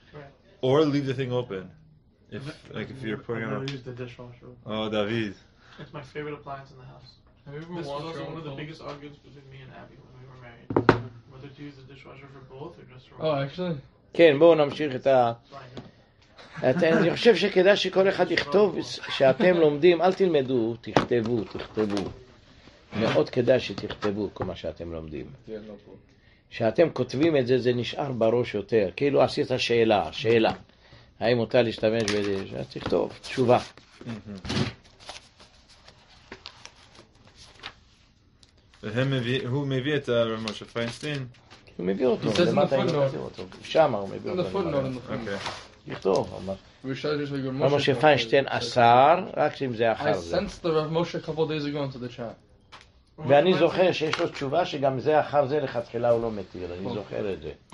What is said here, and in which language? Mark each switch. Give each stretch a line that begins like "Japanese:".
English: Right. Or leave the thing open. If you're pouring out. I've never used the dishwasher. Oh, David. It's my favorite appliance in the house. This was one of the biggest arguments between me and Abby when we were married. Whether to use the dishwasher for both or just for one. Oh, actually?
Hebrew: כן, בואו נמשיך את ה... אני חושב שכדאי שכל אחד יכתוב שאתם לומדים. אל תלמדו, תכתבו, תכתבו. מאוד כדאי שתכתבו כל מה שאתם לומדים. כשאתם כותבים את זה, זה נשאר בראש יותר. כאילו עשית שאלה, שאלה. האם מותר להשתמש בזה? אז תכתוב, תשובה. הוא מביא את הרב משה פיינשטיין? הוא מביא אותו, למטה אני מביא אותו. שם הוא מביא אותו. תכתוב. רב משה פיינשטיין אסר, רק אם זה אחר זה.
English: I sensed the רב משה couple days ago into the chat.
Hebrew: ואני זוכר שיש לו תשובה שגם זה אחר זה לכתחילה הוא לא מתיר, אני זוכר את זה.